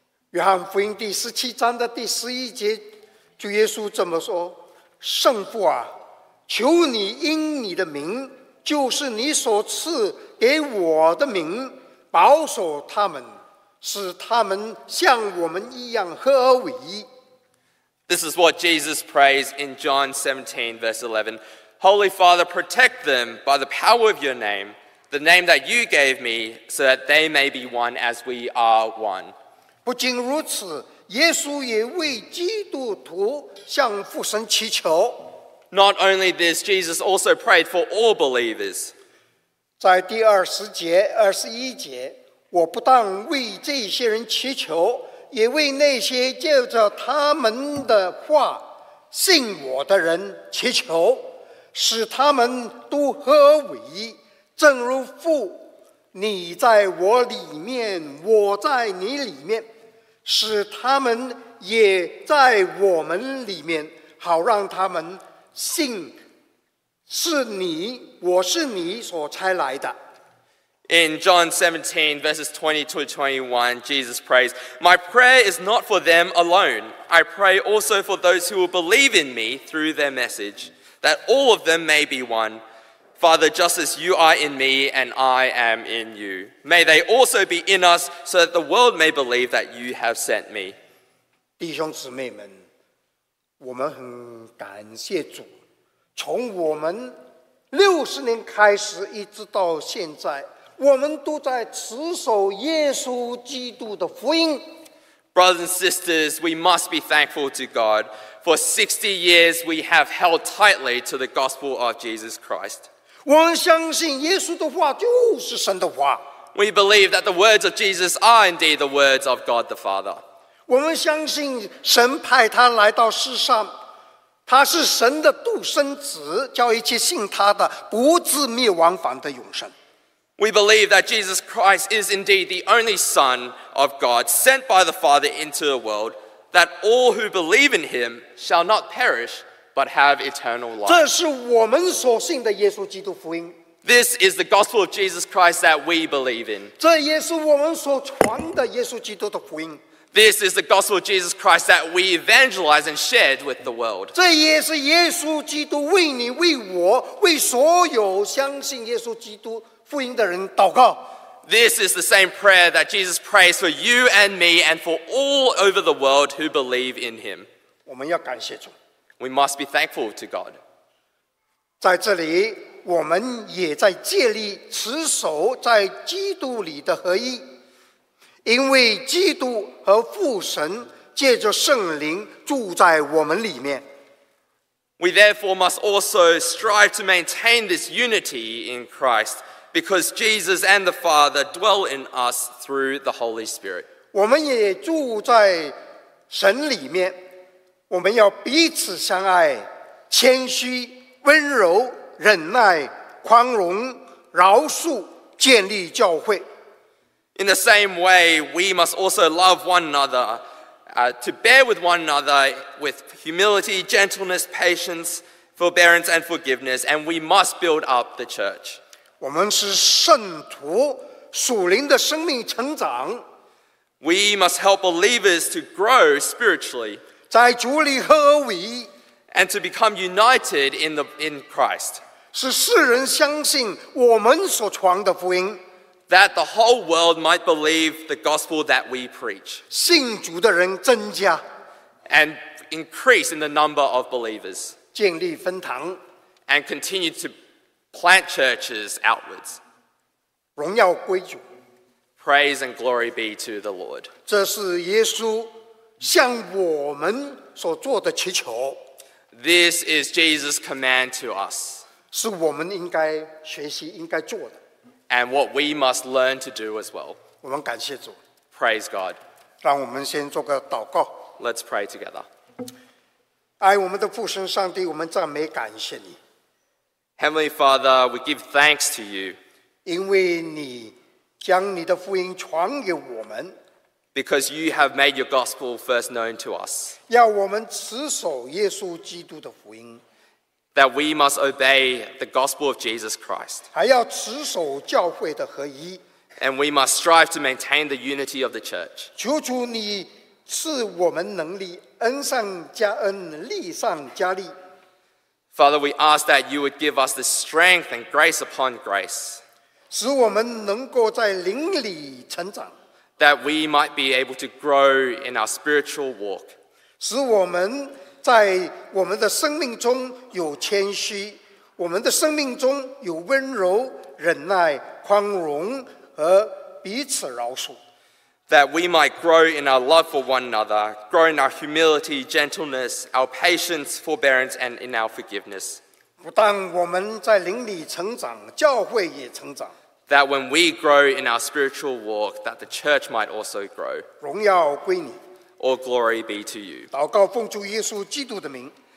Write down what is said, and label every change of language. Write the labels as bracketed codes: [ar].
[zh] 约翰福音第十七章的第十一节，主耶稣怎么说？圣父啊，求你因你的名，就是你所赐给我的名，保守他们，使他们像我们一样合一。 [en] This is what Jesus prays in John 17, verse 11. Holy Father, protect them by the power of your name, the name that you gave me, so that they may be one as we are one. [zh] 不仅如此，耶稣也为基督徒向父神祈求。 [en] Not only this, Jesus also prayed for all believers. [zh] 在第二十节、二十一节，我不但为这些人祈求，也为那些借着他们的话信我的人祈求，使他们都合一，正如父你在我里面，我在你里面，使他们也在我们里面，好让他们信是你，我是你所差来的。 [en] In John 17, verses 22 to 21, Jesus prays, My prayer is not for them alone. I pray also for those who will believe in me through their message, that all of them may be one. Father, just as you are in me and I am in you, may they also be in us so that the world may believe that you have sent me. [zh] 弟兄姊妹们，我们很感谢主，从我们六十年开始一直到现在，我们都在持守耶稣基督的福音。 [en] Brothers and sisters, we must be thankful to God. For 60 years, we have held tightly to the gospel of Jesus Christ. [zh] 我们相信耶稣的话就是神的话。 [en] We believe that the words of Jesus are indeed the words of God the Father. [zh] 我们相信神派他来到世上，他是神的独生子，叫一切信他的不至灭亡，反得永生。 [en] We believe that Jesus Christ is indeed the only Son of God sent by the Father into the world, that all who believe in him shall not perish, but have eternal life. [zh] 这是我们所信的耶稣基督福音。 [en] This is the gospel of Jesus Christ that we believe in. [zh] 这也是我们所传的耶稣基督的福音。 [en] This is the gospel of Jesus Christ that we evangelize and shared with the world. [zh] 这也是耶稣基督为你、为我、为所有相信耶稣基督福音的人祷告。 [en] This is the same prayer that Jesus prays for you and me and for all over the world who believe in him. [zh] 我们要感谢主。 [en] We must be thankful to God. [zh] 在这里，我们也在建立持守在基督里的合一，因为基督和父神借着圣灵住在我们里面。 [en] We therefore must also strive to maintain this unity in Christ. Because Jesus and the Father dwell in us through the Holy Spirit. [zh] 我们也住在神里面，我们要彼此相爱，谦虚、温柔、忍耐、宽容、饶恕，建立教会。 [en] In the same way, we must also love one another, to bear with one another with humility, gentleness, patience, forbearance, and forgiveness, and we must build up the church. [zh] 我们是圣徒，属灵的生命成长。 [en] We must help believers to grow spiritually. [zh] 在主里合一。 [en] And to become united in Christ. [zh] 使世人相信我们所传的福音。 [en] That the whole world might believe the gospel that we preach. [zh] 信主的人增加。 [en] And increase in the number of believers. [zh] 建立分堂。 [en] And continue to plant churches outwards. [zh] 荣耀归主。 [en] Praise and glory be to the Lord. [zh] 这是耶稣向我们所做的祈求。 [en] This is Jesus' command to us. [zh] 是我们应该学习、应该做的。 [en] And what we must learn to do as well. [zh] 我们感谢主。 [en] Praise God. [zh] 让我们先做个祷告。 [en] Let's pray together. [zh] 爱我们的父神上帝，我们赞美感谢你。 [en] Heavenly Father, we give thanks to you. [zh] 因为你将你的福音传给我们。 [en] Because you have made your gospel first known to us. [zh] 要我们持守耶稣基督的福音。 [en] That we must obey the gospel of Jesus Christ. [zh] 还要持守教会的合一。 [en] And we must strive to maintain the unity of the church. [zh] 求主你赐我们能力，恩上加恩，力上加力。 [en] Father, we ask that you would give us the strength and grace upon grace. [zh] 使我们能够在灵里成长。 [en] That we might be able to grow in our spiritual walk. [zh] 使我们在我们的生命中有谦虚，我们的生命中有温柔、忍耐、宽容和彼此饶恕。 [en] That we might grow in our love for one another, grow in our humility, gentleness, our patience, forbearance, and in our forgiveness. [zh] 不但我们在灵里成长，教会也成长。 [en] That when we grow in our spiritual walk, that the church might also grow. [zh] 荣耀归你。 [en] All glory be to you. [zh] 祷告奉主耶稣基督的名。